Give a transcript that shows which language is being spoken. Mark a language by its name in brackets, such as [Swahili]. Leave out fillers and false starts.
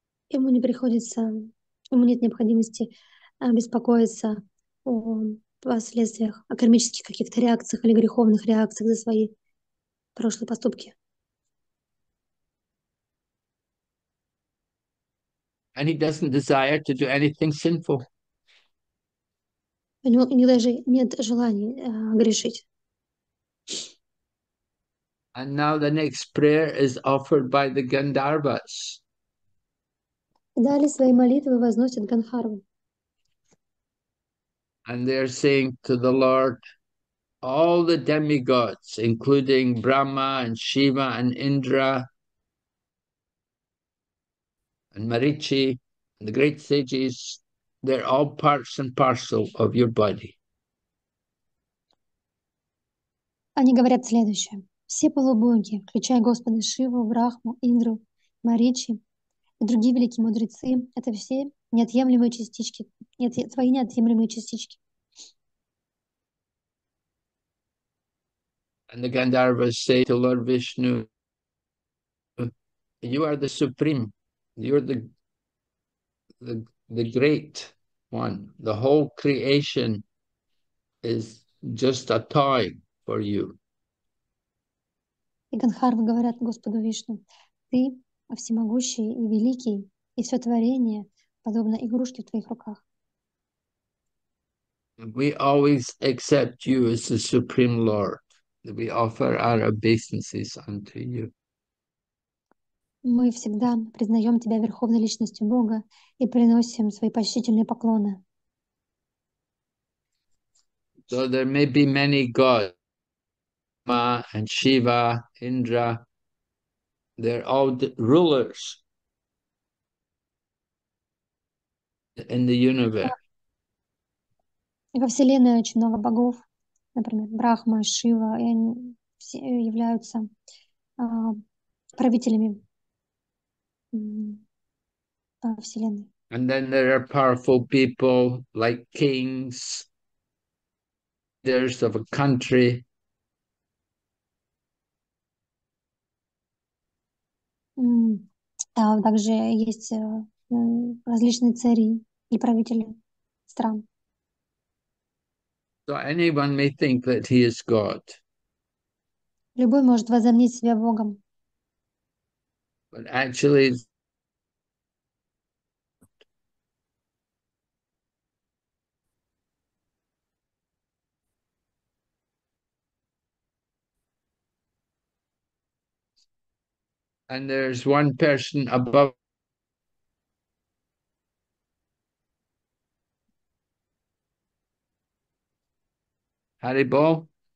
[Russian] Ему не приходится, ему нет необходимости беспокоиться о последствиях, о кармических каких-то реакциях или греховных реакциях за свои прошлые поступки. [English] And he doesn't desire to do anything sinful. [Russian] У него даже нет желания грешить. [English] And now the next prayer is offered by the Gandharvas. [Russian] Далее свои молитвы возносят Гандхарву. [English] And they're saying to the Lord, all the demigods, including Brahma and Shiva and Indra and Marichi, the great sages, they're all parts and parcel of your body. [Russian] Они говорят следующее. Все полубоги, включая Господа Шиву, Брахму, Индру, Маричи, и другие великие мудрецы, это все неотъемлемые частички, твои неотъемлемые частички. [English] And the Gandharvas say to Lord Vishnu, you are the supreme, you're the great one. The whole creation is just a toy for you. [Russian] И Гандхарвы говорят Господу Вишну, ты всемогущий и великий, и все творение подобно игрушке в твоих руках. [English] We always accept you as the Supreme Lord. We offer our obeisances unto you. [Russian] Мы всегда признаем тебя верховной личностью Бога и приносим свои почтительные поклоны. [English] So there may be many gods, Ma and Shiva, Indra, they're all the rulers in the universe. [Russian] И во Вселенной очень много богов, например, Брахма, Шива, и они все являются правителями Вселенной. [English] And then there are powerful people like kings, leaders of a country. [Russian] А также есть различные цари и правители стран. [English] So anyone may think that he is God. [Russian] Любой может возомнить себя Богом. [English] But actually, and there's one person above Haribo.